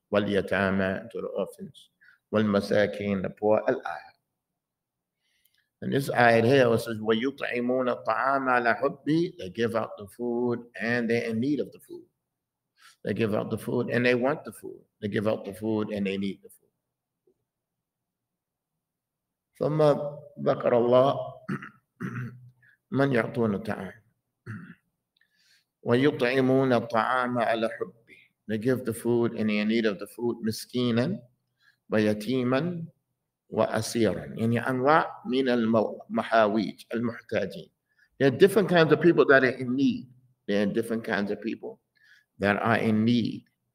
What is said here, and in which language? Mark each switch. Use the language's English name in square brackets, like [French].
[Arabic] واليتامى, [English] to the orphans. [Arabic] والمساكين, [English] the poor. [Arabic] الآية. [English] And this ayah here was says, [Arabic] ويطعمون الطعام على حبي. [English] They give out the food and they're in need of the food. They give out the food and they want the food. They give out the food and they need the food. [Arabic] ثم ذكر الله من يعطون الطعام. ويطعمون الطعام على حبه. [English] They give the food and in need of the food [Arabic] مسكينا ويتيما وأسيرا. يعني أنواع من المحاويج, المحتاجين. [English] There are different kinds of people that are in need. There are different kinds of people that are in need.